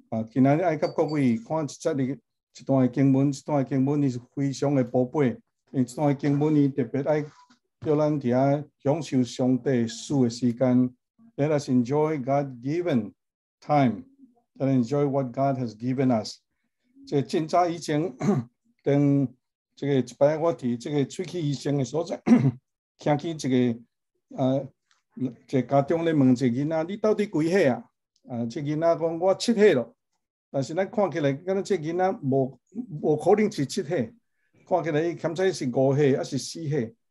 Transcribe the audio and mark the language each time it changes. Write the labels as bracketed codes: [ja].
[nan] 今仔日爱甲各位看一节哩，一段的经文，一段的经文是非常的宝贝。因为一段的经文，伊特别爱叫咱伫遐享受上帝赐的时间。 [en] Let us enjoy God-given time. Let us enjoy what God has given us. [nan] 这真早以前，当这个一摆我伫这个喙齿医生的所在。听起一个，一个家长咧问一个囡仔，你到底几岁啊？这囡仔讲我七岁咯，但是咱看起来，敢那这囡仔无可能是七岁，看起来伊堪在是五岁还是四岁？